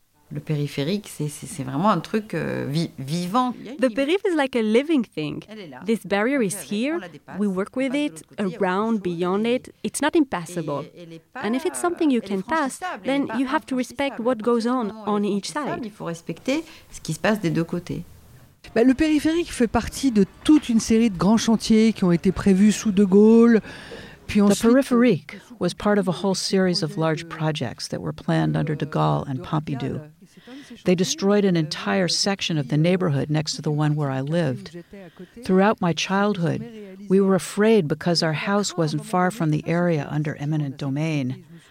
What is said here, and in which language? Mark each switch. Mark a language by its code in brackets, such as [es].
[fr] Le périphérique, c'est vraiment un truc vivant. [en] The périph is like a living thing. This barrier is here. We work with it, around, beyond it. It's not impassable. And if it's something you can pass, then you have to respect what goes on each side. [fr] Il faut respecter ce qui se passe des deux côtés. Bah, le périphérique fait partie de toute une série de grands chantiers qui ont été prévus sous De Gaulle. [en] The Peripherique was part of a whole series of large projects that were planned under De Gaulle and Pompidou. They destroyed an entire section of the neighborhood next to the one where I lived. Throughout my childhood, we were afraid because our house wasn't far from the area under eminent domain.